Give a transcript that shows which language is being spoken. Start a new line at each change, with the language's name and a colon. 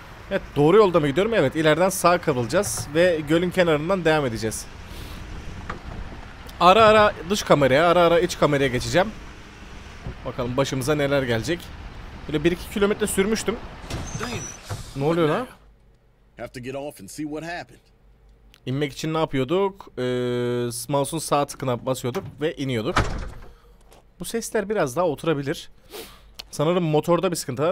Turkish: Evet, doğru yolda mı gidiyorum? Evet, ileriden sağ kırılacağız ve gölün kenarından devam edeceğiz. Ara ara dış kameraya, ara ara iç kameraya geçeceğim. Bakalım başımıza neler gelecek. Böyle 1-2 kilometre sürmüştüm. Ne oluyor lan?
English: Have to get off and see what happened.
Turkish: İnmek için ne yapıyorduk? Mouse'un sağ tıkına basıyorduk ve iniyorduk. Bu sesler biraz daha oturabilir. Sanırım motorda bir sıkıntı var.